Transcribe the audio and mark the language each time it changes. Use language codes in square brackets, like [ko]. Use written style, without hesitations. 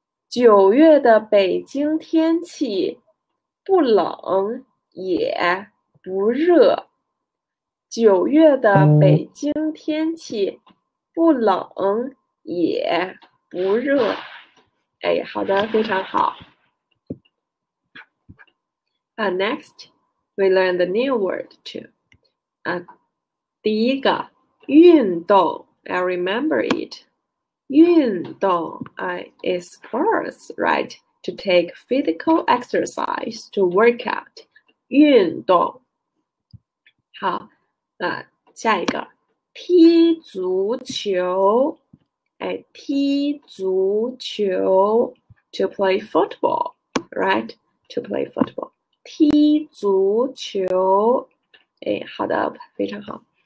[zh] 9月的北京天气不冷。也不热，9月的北京天气不冷，也不热。哎，好的，非常好。 [en] Next, we learn the new word too. [zh] 第一个运动， [en] I remember it. 运动，is sports, right? To take physical exercise to work out. [zh] 运动，好，下一个踢足球，哎，踢足球， [en] to play football，right？to play football， [zh] 踢足球，哎，好的，非常好。